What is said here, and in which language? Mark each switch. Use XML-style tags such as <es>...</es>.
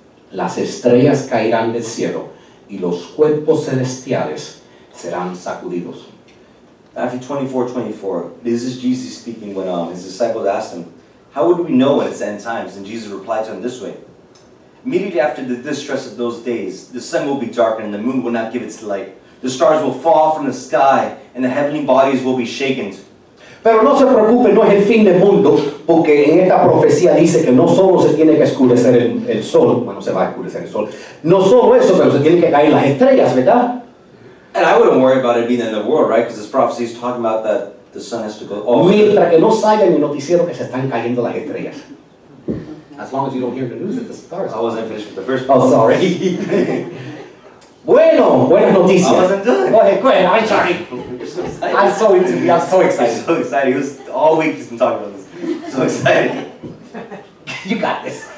<es>Las estrellas caerán del cielo y los cuerpos celestiales serán sacudidos.</es> <en>Matthew 24:24. This is Jesus speaking when his disciples asked him, "How would we know when it's end times?" And Jesus replied to him this way: "Immediately after the distress of those days, the sun will be darkened and the moon will not give its light. The stars will fall from the sky and the heavenly bodies will be shaken."</en> <es>Pero no se preocupe, no es el fin del mundo, porque en esta profecía dice que no solo se tiene que oscurecer el sol, bueno, se va a oscurecer el sol, no solo eso, pero se tienen que caer las estrellas, ¿verdad?</es> <en>And I wouldn't worry about it being the end of the world, right? Because this prophecy is talking about that the sun has to go off.</en> <es>Mientras que no salga en el noticiero que se están cayendo las estrellas.</es> <en>As long as you don't hear the news that the stars. I wasn't finished with the first part. Oh, sorry. Bueno, buenas noticias. I wasn't done. Go ahead, go ahead. I'm sorry. I'm so excited. It was all week he's been talking about this. So excited. You got this.</en>